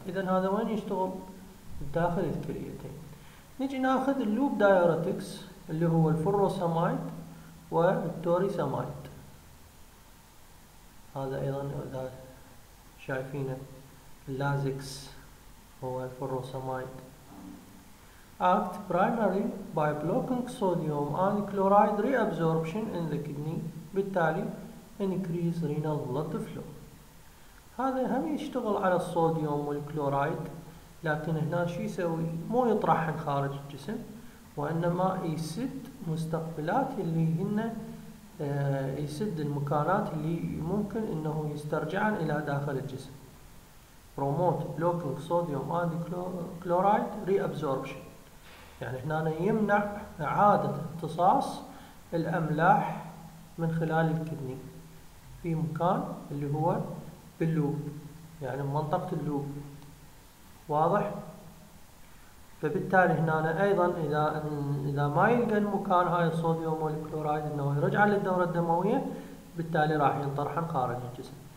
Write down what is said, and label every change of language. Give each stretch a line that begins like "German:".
Arabic: إذا هذا وين يشتغل؟ داخل الكليتين. نجي ناخذ اللوب دايوريتكس اللي هو الفروسامايد والتوريسامايد. هذا ايضا اذا شايفينه اللازكس هو الفروسامايد.
English: Act primarily by blocking sodium and chloride reabsorption in the kidney,
Arabic: بالتالي
English: increase renal blood flow.
Arabic: هذا هم يشتغل على الصوديوم والكلورايد، لكن هنا شو يسوي؟ مو يطرحهم خارج الجسم، وإنما يسد مستقبلات اللي هن يسد المكانات اللي ممكن إنه يسترجعن إلى داخل الجسم.
English: Promote blocking sodium and chloride reabsorption.
Arabic: يعني هنا يمنع إعادة امتصاص الأملاح من خلال الكدني في مكان اللي هو باللوب، يعني منطقة اللوب. واضح؟ فبالتالي هنا ايضا اذا ما يلقى المكان هاي الصوديوم والكلورايد انه يرجع للدوره الدمويه، بالتالي راح ينطرحن خارج الجسم.